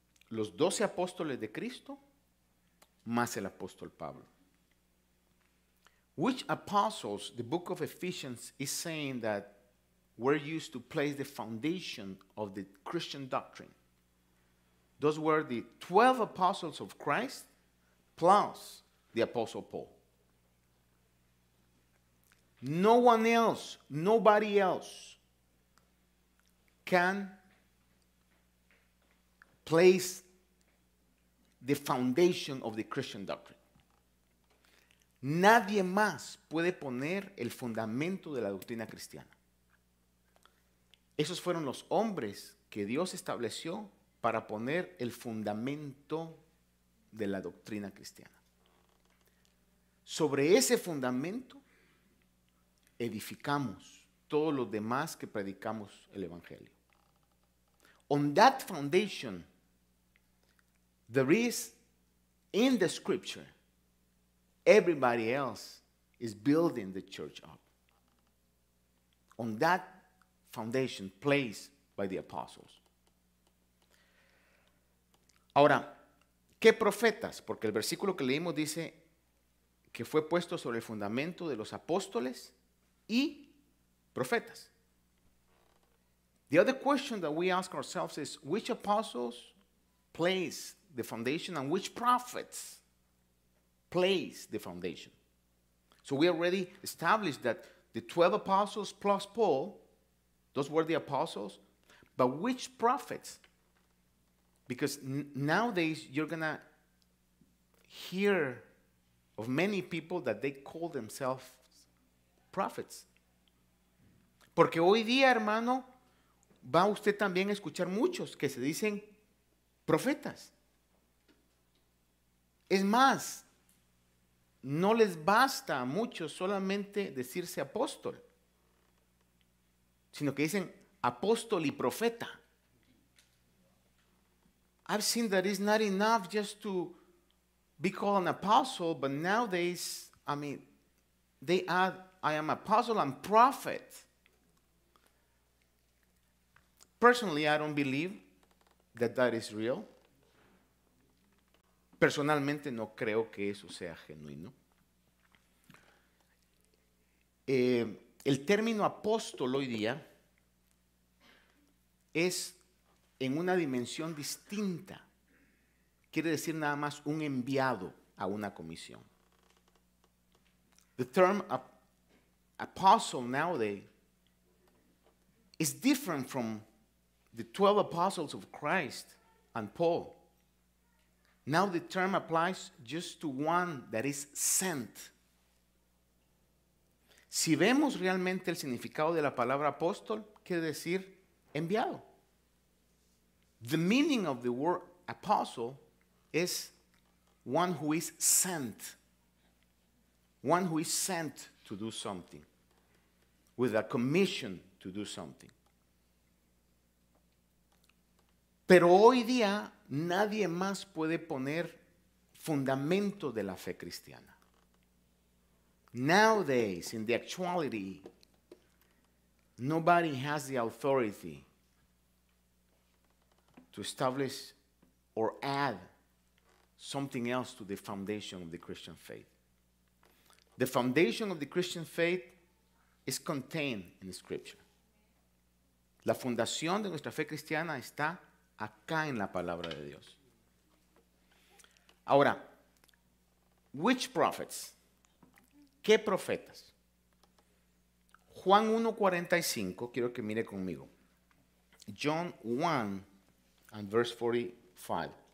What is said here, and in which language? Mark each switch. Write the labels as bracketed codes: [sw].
[es] Los 12 apóstoles de Cristo más el apóstol Pablo. [en] Which apostles, the book of Ephesians is saying that were used to place the foundation of the Christian doctrine? Those were the 12 apostles of Christ plus the apostle Paul. No one else, nobody else can place the foundation of the Christian doctrine. [es] Nadie más puede poner el fundamento de la doctrina cristiana. Esos fueron los hombres que Dios estableció para poner el fundamento de la doctrina cristiana. Sobre ese fundamento edificamos todos los demás que predicamos el Evangelio. [en] On that foundation, there is in the scripture, everybody else is building the church up. On that foundation placed by the apostles. [es] Ahora, ¿qué profetas? Porque el versículo que leímos dice que fue puesto sobre el fundamento de los apóstoles y profetas. [en] The other question that we ask ourselves is, which apostles place the foundation and which prophets place the foundation? So we already established that the 12 apostles plus Paul, those were the apostles, but which prophets? Because nowadays you're going to hear of many people that they call themselves prophets. [es] Porque hoy día, hermano, va usted también a escuchar muchos que se dicen profetas. Es más, no les basta a muchos solamente decirse apóstol, sino que dicen apóstol y profeta. [en] I've seen that it's not enough just to be called an apostle, but nowadays, I mean, they add, I am apostle and prophet. Personally, I don't believe that that is real. [es] Personalmente, no creo que eso sea genuino. El término apóstol hoy día es en una dimensión distinta. Quiere decir nada más un enviado a una comisión. [en] The term apostle nowadays is different from the 12 apostles of Christ and Paul. Now the term applies just to one that is sent. [es] Si vemos realmente el significado de la palabra apóstol, quiere decir enviado. [en] The meaning of the word apostle is one who is sent. One who is sent to do something. With a commission to do something. [es] Pero hoy día nadie más puede poner fundamento de la fe cristiana. [en] Nowadays, in the actuality, nobody has the authority to establish or add something else to the foundation of the Christian faith. The foundation of the Christian faith is contained in the scripture. [es] La fundación de nuestra fe cristiana está acá en la palabra de Dios. Ahora, [en] which prophets? [es] ¿Qué profetas? Juan 1:45, quiero que mire conmigo. [en] John 1 and verse 45.